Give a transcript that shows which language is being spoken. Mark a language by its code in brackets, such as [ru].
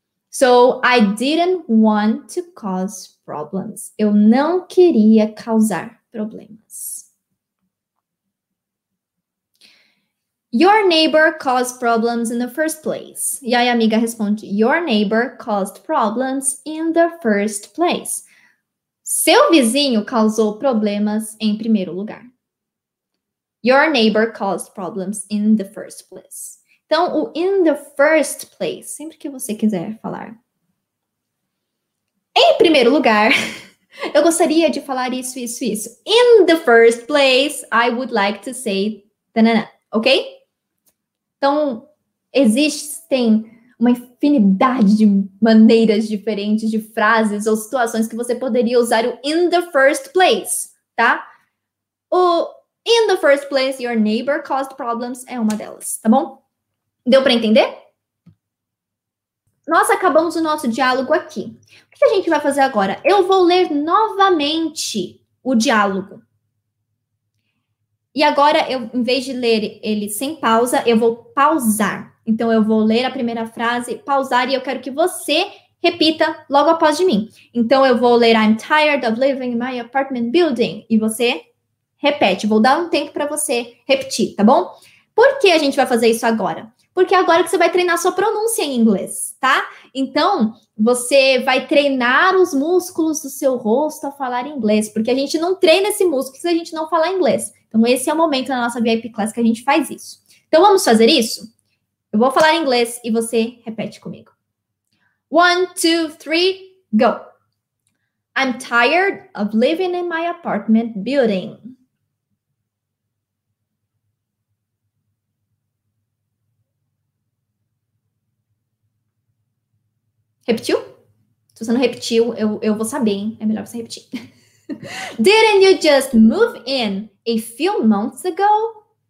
[en] So, I didn't want to cause problems. [pt] Eu não queria causar problemas. [en] Your neighbor caused problems in the first place. [pt] E aí a amiga responde, [en] your neighbor caused problems in the first place. [pt] Seu vizinho causou problemas em primeiro lugar. [en] Your neighbor caused problems in the first place. [pt] Então, o [en] in the first place, [pt] sempre que você quiser falar. Em primeiro lugar, eu gostaria de falar isso. [en] In the first place, I would like to say, ta-na-na, ok? [pt] Então, existem uma infinidade de maneiras diferentes de frases ou situações que você poderia usar o [en] in the first place, [pt] tá? O [en] in the first place, your neighbor caused problems [pt] é uma delas, tá bom? Deu para entender? Nós acabamos o nosso diálogo aqui. O que a gente vai fazer agora? Eu vou ler novamente o diálogo. E agora, eu, em vez de ler ele sem pausa, eu vou pausar. Então, eu vou ler a primeira frase, pausar, e eu quero que você repita logo após de mim. Então, eu vou ler, [en] I'm tired of living in my apartment building. [pt] E você repete. Vou dar um tempo para você repetir, tá bom? Por que a gente vai fazer isso agora? Porque é agora que você vai treinar sua pronúncia em inglês, tá? Então, você vai treinar os músculos do seu rosto a falar inglês. Porque a gente não treina esse músculo se a gente não falar inglês. Então, esse é o momento na nossa VIP Class que a gente faz isso. Então, vamos fazer isso? Eu vou falar inglês e você repete comigo. [en] One, two, three, go. I'm tired of living in my apartment building. [pt] Repetiu? Se você não repetiu, eu vou saber, hein? É melhor você repetir. [en] Didn't you just move in a few months ago?